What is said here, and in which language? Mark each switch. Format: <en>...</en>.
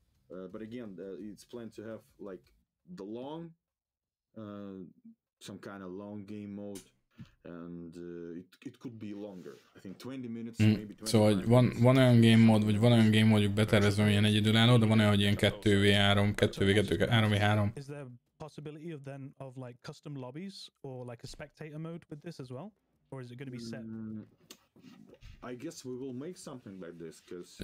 <en>But again, it's planned to have like the long, some kind of long game mode. And it could be longer. I think 20 minutes, maybe 20 minutes.</en> <hu>Szóval van olyan game mode, vagy van olyan game mode-juk betervezve, ilyen egyedülálló, de van olyan, hogy ilyen 2v3, 2v2, 3v3.</hu> <en>Is there possibility of then of like custom lobbies or like a spectator mode with this as well? Or is it going to be set? I guess we will make something like this, because...</en>